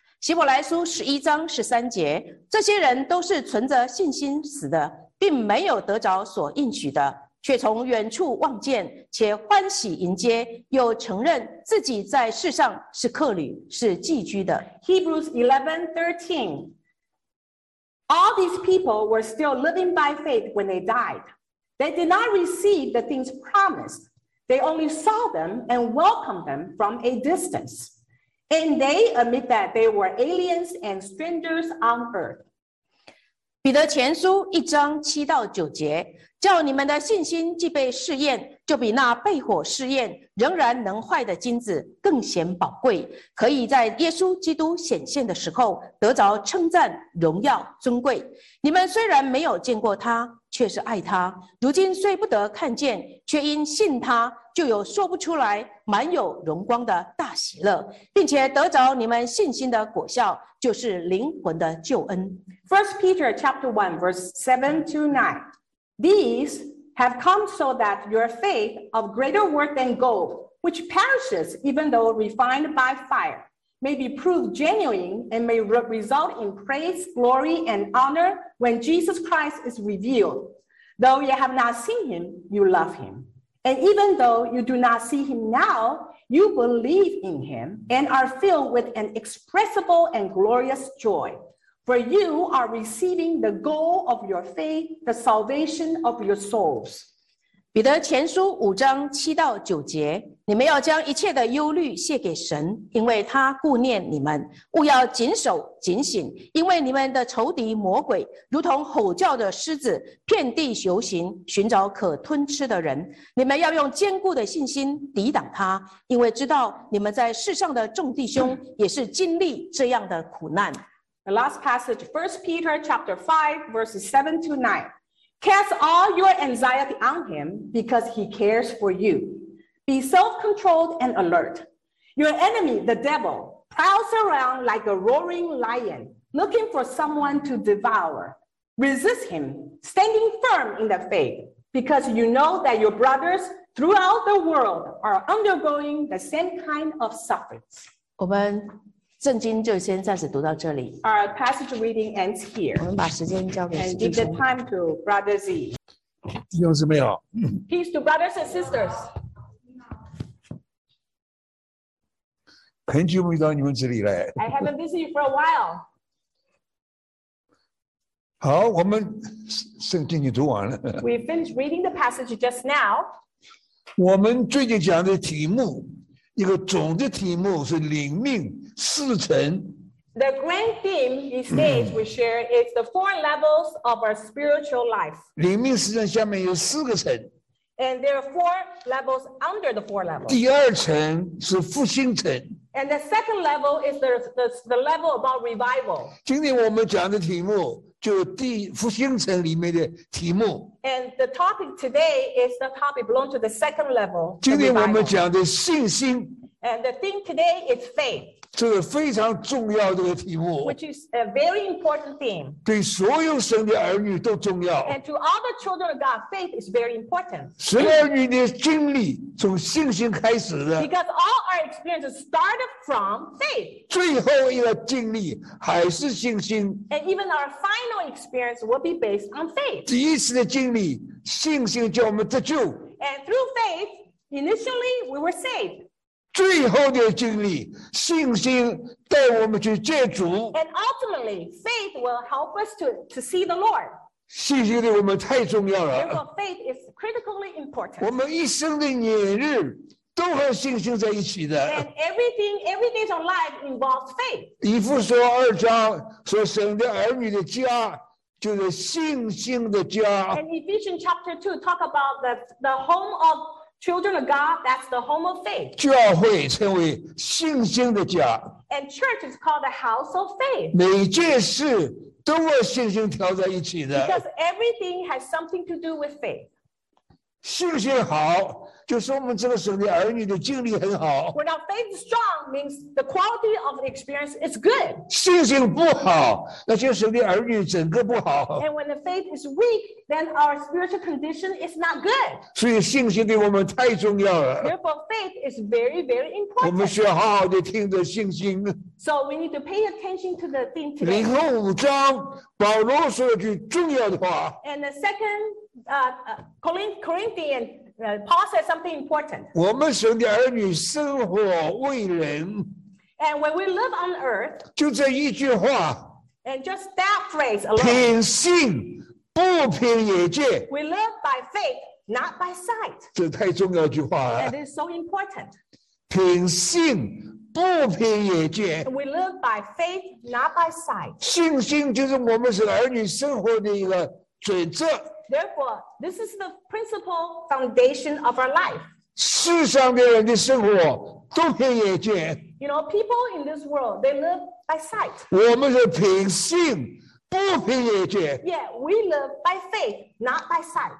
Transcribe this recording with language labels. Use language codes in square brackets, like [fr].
[zh] 希伯来书十一章十三节，这些人都是存着信心死的，并没有得着所应许的，却从远处望见，且欢喜迎接，又承认自己在世上是客旅，是寄居的。 [en] Hebrews 11:13. All these people were still living by faith when they died. They did not receive the things promised. They only saw them and welcomed them from a distance. And they admit that they were aliens and strangers on earth. [zh] 彼得前书一章七到九节，叫你们的信心既被试验，就比那被火试验仍然能坏的金子更显宝贵，可以在耶稣基督显现的时候得着称赞、荣耀、尊贵。你们虽然没有见过他，却是爱他，如今虽不得看见，却因信他就有说不出来满有荣光的大喜乐，并且得着你们信心的果效，就是灵魂的救恩。 [en] 1 Peter chapter 1 verse 7 to 9. These have come so that your faith of greater worth than gold, which perishes even though refined by fire, may be proved genuine and may result in praise, glory, and honor when Jesus Christ is revealed. Though you have not seen him, you love him. And even though you do not see him now, you believe in him and are filled with an inexpressible and glorious joy. For you are receiving the goal of your faith, the salvation of your souls. [zh] 彼得前书五章七到九节，你们要将一切的忧虑卸给神，因为他顾念你们，务要谨守警醒，因为你们的仇敌魔鬼如同吼叫的狮子遍地游行，寻找可吞吃的人。你们要用坚固的信心抵挡他，因为知道你们在世上的众弟兄也是经历这样的苦难。 [en] The last passage, 1 Peter chapter 5 verses 7 to 9. Cast all your anxiety on him because he cares for you. Be self-controlled and alert. Your enemy, the devil, prowls around like a roaring lion, looking for someone to devour. Resist him, standing firm in the faith, because you know that your brothers throughout the world are undergoing the same kind of sufferings. [zh] 我们圣经就先暂时读到这里。 [en] Our passage reading ends here. [zh] 我们把时间交给弟兄。 [en] And give the time to Brother Z. [zh] 弟兄姊妹好。 [en] Peace to brothers and sisters. [zh] 很久没到你们这里来。 [en] I haven't visited you for a while. [zh] 好，我们圣经已读完了。 [en] We finished reading the passage just now. [zh] 我们最近讲的题目，一个总的题目是灵命四层。 [en] The grand theme these days we share is the four levels of our spiritual life. [zh] 灵命四层下面有四个层。 [en] And there are four levels under the four levels. [zh] 第二层是复兴层。 [en] And the second level is the level about revival. [zh] 今天我们讲的题目就第复兴层里面的题目。 [en] And the topic today is the topic belong to the second level. [zh] 今天我们讲的信心。 [en] And the theme today is faith. [zh] 这个非常重要的题目。 [en] Which is a very important theme. [zh] 对所有神的儿女都重要。 [en] And to all the children of God, faith is very important. [zh] 神儿女的经历从信心开始的。 [en] Because all our experiences started from faith. [zh] 最后一个经历还是信心。 [en] And even our final experience will be based on faith. [zh] 第一次的经历，信心叫我们得救。 [en] And through faith, initially we were saved. [zh] 最后的经历，信心带我们去见主。 [en] And ultimately, faith will help us to see the Lord. [zh] 信心对我们太重要了。 [en] Therefore, faith is critically important. [zh] 我们一生的年日都和信心在一起的。 [en] And every day's our life involves faith. [zh] 以弗所二章说，神的儿女的家就是信心的家。 [en] And Ephesians chapter 2 talk about the home of Children of God, that's the home of faith. [zh] 教会称为信心的家。 [en] And church is called the house of faith. [zh] 每件事都和信心调在一起的。 [en] Because everything has something to do with faith. [zh] 信心好，就是我们这个神的儿女的经历很好。 [en] When our faith is strong, means the quality of the experience is good. [zh] 信心不好，那就神的儿女整个不好。 [en] And when the faith is weak, then our spiritual condition is not good. [zh] 所以信心对我们太重要了。 [en] Therefore, faith is very, very important. [zh] 我们需要好好地听着信心。 [en] So we need to pay attention to the theme today. [zh] 零后五章，保罗说了句重要的话。 [en] And the second, Corinthian. Paul said something important. [zh] 我们神的儿女生活为人。 [en] And when we live on earth, [zh] 就这一句话。 [en] And just that phrase alone. [zh] 凭信，不凭眼见。 [en] We live by faith, not by sight. [zh] 这太重要一句话了。 [en] And it's so important. [zh] 凭信，不凭眼见。 [en] We live by faith, not by sight. [zh] 信心就是我们神儿女生活的一个准则。 [en] Therefore, this is the principal foundation of our life. [zh] 世上的人的生活都凭眼见。 [en] You know, people in this world, they live by sight. [zh] 我们是凭信，不凭眼见。 [en] Yeah, we live by faith, not by sight.